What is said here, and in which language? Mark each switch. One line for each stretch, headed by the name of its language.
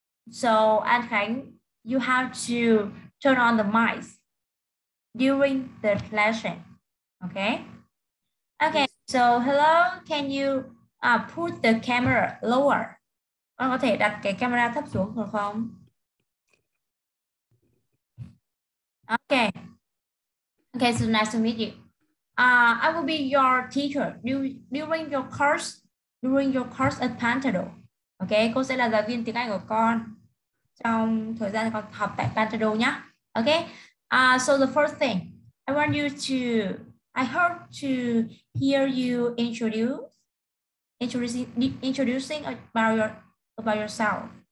English: So anh Khánh, you have to turn on the mic during the lesson. Okay. Okay, Yes. so hello, can you put the camera lower?
Vietnamese: Con có thể đặt cái camera thấp xuống được không?
English: Okay, so nice to meet you. I will be your teacher during your course at Pantado. Ok,
Vietnamese: cô sẽ là giáo viên tiếng Anh của con trong thời gian con học tại Pantado nhá.
English: Ok, so the first thing, I hope to hear you introducing about yourself.